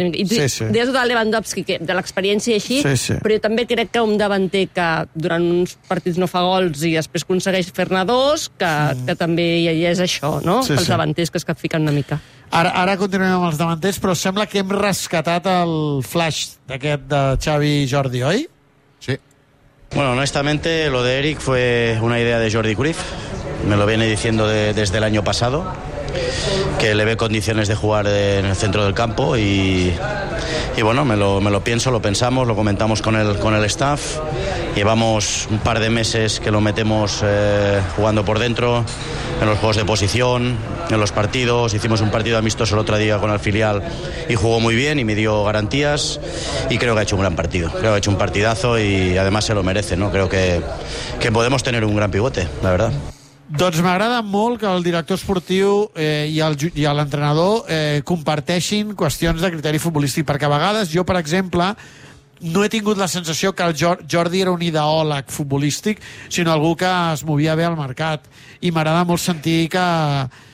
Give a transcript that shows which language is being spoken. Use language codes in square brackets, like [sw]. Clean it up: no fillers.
[ca] I tu, deies tot el Lewandowski, que de l'experiència així, però jo també crec que un davanter que durant uns partits no fa gols i després aconsegueix fer-ne dos, que, que també hi és això, no? Sí, els davanters que es capfiquen una mica. Ara, ara continuem amb els davanters, però sembla que hem rescatat el flash d'aquest de Xavi i Jordi, oi? Sí. [es] Bueno, honestamente, lo de Eric fue una idea de Jordi Cruyff. Me lo viene diciendo desde el año pasado, que le ve condiciones de jugar en el centro del campo y bueno, me lo pienso, lo pensamos, lo comentamos con el staff. Llevamos un par de meses que lo metemos jugando por dentro, en los juegos de posición, en los partidos. Hicimos un partido amistoso el otro día con el filial y jugó muy bien y me dio garantías. Y creo que ha hecho un gran partido, creo que ha hecho un partidazo y además se lo merece, ¿no? Creo que podemos tener un gran pivote, la verdad. [ca] Doncs m'agrada molt que el director esportiu i l'entrenador comparteixin qüestions de criteri futbolístic, perquè a vegades jo, per exemple, no he tingut la sensació que el Jordi era un ideòleg futbolístic, sinó algú que es movia bé al mercat, i m'agrada molt sentir que